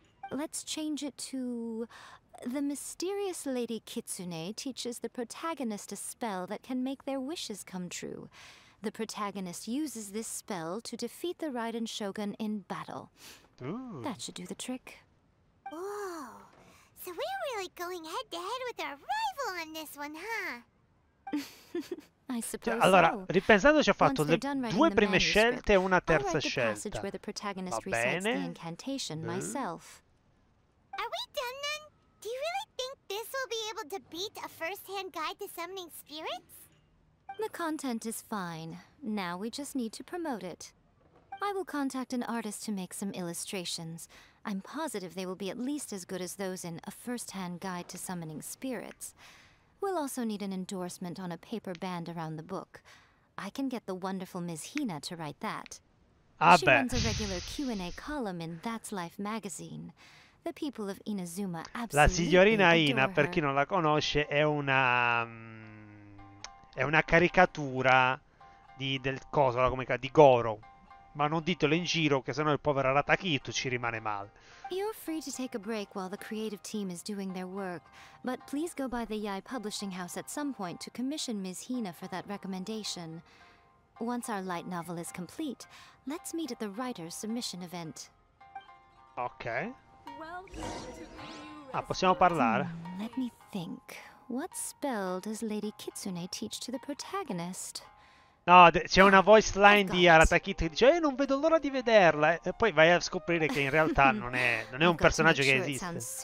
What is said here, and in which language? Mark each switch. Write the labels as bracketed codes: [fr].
[en] Let's change it to... The mysterious Lady Kitsune teaches the protagonist a spell that can make their wishes come true. The protagonist uses this spell to defeat the Raiden Shogun in battle. Ooh. That should do the trick. Whoa. So we're really going head-to-head with our rival on this one, huh? I suppose. [it] Allora, ripensandoci, ho fatto le due prime scelte e una terza scelta. Va bene. [en] Myself. Are we done then? Do you really think this will be able to beat a first-hand guide to summoning spirits? The content is fine. Now we just need to promote it. I will contact an artist to make some illustrations. I'm positive they will be at least as good as those in A First-Hand Guide to Summoning Spirits. We'll also need an endorsement on a paper band around the book. I can get the wonderful Ms. Hina to write that. She runs a regular Q&A column in That's Life magazine. The people of Inazuma absolutely [it] La signorina Hina, per chi non la conosce, è una caricatura di Goro. Ma non ditelo in giro, che sennò il povero Ratakito ci rimane male. [en] You're free to take a break while the creative team is doing their work, but please go by the Yae Publishing House at some point to commission Ms. Hina for that recommendation. Once our light novel is complete, let's meet at the writer's submission event. [it] Okay. Ah, possiamo parlare? [en] Let me think. What spell does Lady Kitsune teach to the protagonist? [it] No, c'è una voice line di Aratakit che dice: non vedo l'ora di vederla. E poi vai a scoprire che in realtà non è un personaggio che esiste.